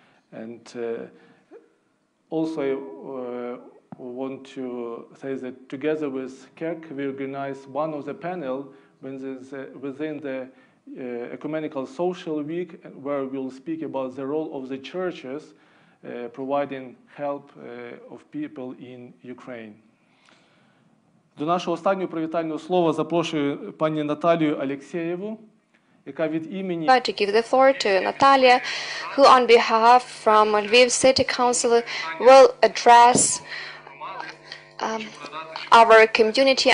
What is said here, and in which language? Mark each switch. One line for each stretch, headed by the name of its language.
English: And also want to say that together with Kirk, we organize one of the panel within the Ecumenical Social Week, where we'll speak about the role of the churches providing help of people in Ukraine.
Ukrainian: До нашого останнього привітального слова запрошую пані Наталію Алексєєву, яка від імені...
English: I'd like to give the floor to Natalia, who on behalf from Lviv City Council will address our community.